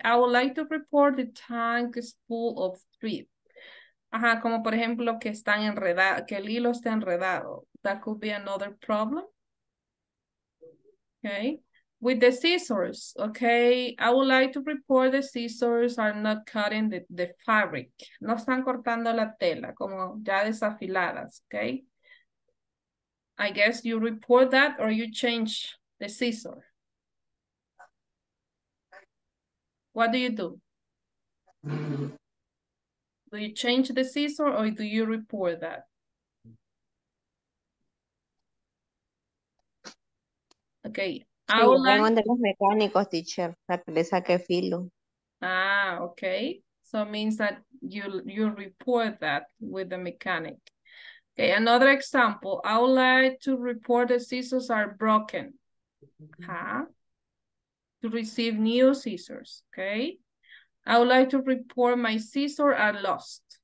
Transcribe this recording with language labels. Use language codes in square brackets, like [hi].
[en] I would like to report the tank is full of thread. [es] Ajá, como por ejemplo que están enredado, que el hilo está enredado. [en] That could be another problem. Okay, with the scissors, okay? I would like to report the scissors are not cutting the fabric. [es] No están cortando la tela, como ya desafiladas, okay? [en] I guess you report that or you change the scissor. What do you do? Do you change the scissor or do you report that? Okay. [es] Sí, yo tengo de los mecánicos, teacher, para que le saque filo. [en] Ah, okay. So it means that you report that with the mechanic. Okay, another example. I would like to report the scissors are broken. Huh? To receive new scissors, okay? I would like to report my scissor are lost.